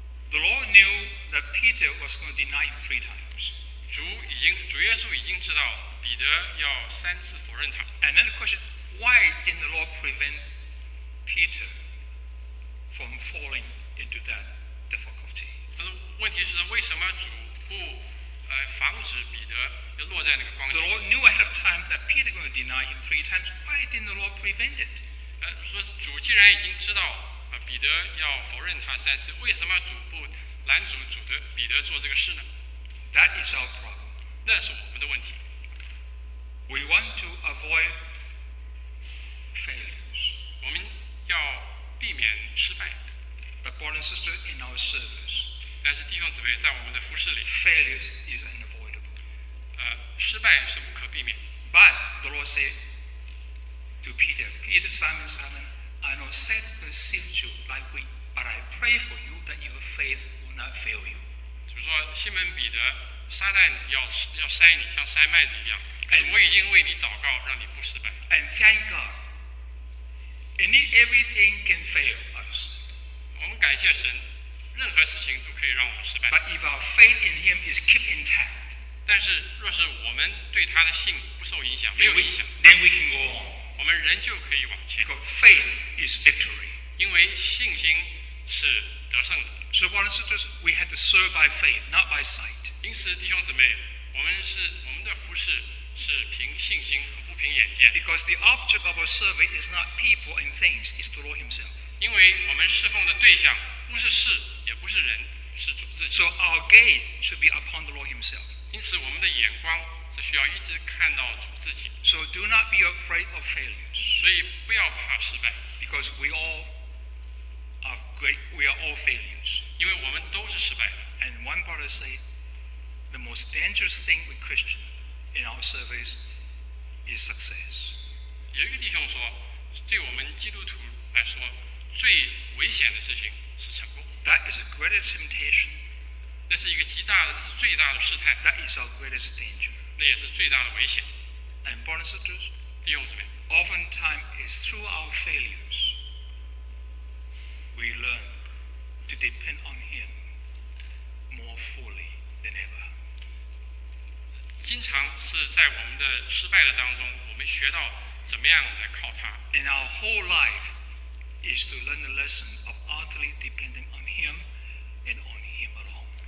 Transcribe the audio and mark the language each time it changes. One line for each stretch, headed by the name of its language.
English: The Lord knew that Peter was going to deny him three times.
Chinese: 主耶稣已经知道彼得要三次否认他。
English: And then the question, why didn't the Lord prevent Peter from falling into that difficulty?
Chinese: 问题是为什么主不防止彼得落在那个光景。
English: The Lord knew ahead of time that Peter was going to deny him three times. Why didn't the Lord prevent it?
Chinese: 说主既然已经知道彼得要否认他三次，为什么主不拦阻彼得做这个事呢？
English: That is our problem.
Chinese: 那是我们的问题。
English: We want to avoid failures.
Chinese: 我们要避免失败。
English: But brothers and sisters, in our service,
Chinese: 但是弟兄姊妹在我们的服事里
English: failures is unavoidable.
Chinese: 失败是不可避免。
English: But the Lord said to Peter, Peter, Simon, Simon, I know Satan will sift you like wheat, but I pray for you that your faith will not fail you.
Chinese: 比如说西门彼得，撒旦要筛你，像筛麦子一样。可是我已经为你祷告，让你不失败。
English: And thank God, in everything can fail us.
Chinese: 我们感谢神，任何事情都可以让我们失败。
English: But if our faith in Him is kept intact,
Chinese: 但是若是我们对他的信不受影响，没有影响
English: ，then we can go on.
Chinese: 我们仍旧可以往前。
English: Because faith is victory.
Chinese: 因为信心是得胜的。
English: So brothers and sisters, we had to serve by faith, not by sight.
Chinese: 因此，弟兄姊妹，我们的服事是凭信心，不凭眼见。
English: Because the object of our service is not people and things; it's the Lord Himself.
Chinese: 因为我们侍奉的对象不是事，也不是人，是主自己。
English: So our gaze should be upon the Lord Himself.
Chinese: 因此，我们的眼光是需要一直看到主自己。
English: So do not be afraid of failures.
Chinese: 所以不要怕失败。
English: Because we all are great, we are all failures.
Chinese: 因为我们都是失败的。
English: And one brother said, the most dangerous thing with Christian in our service is success.
Chinese: 有一个弟兄说，对我们基督徒来说，最危险的事情是成功。
English: That is a greater temptation.
Chinese: 那是一个极大的，是最大的试探。
English: That is our greatest danger.
Chinese: 那也是最大的危险。
English: And brothers and sisters,
Chinese: 弟兄姊妹，
English: oftentimes it's through our failures. We learn to depend on Him more fully than ever.
Chinese: 经常是在我们的失败的当中，我们学到怎么样来靠他。
English: And our whole life is to learn the lesson of utterly depending on Him and on Him alone.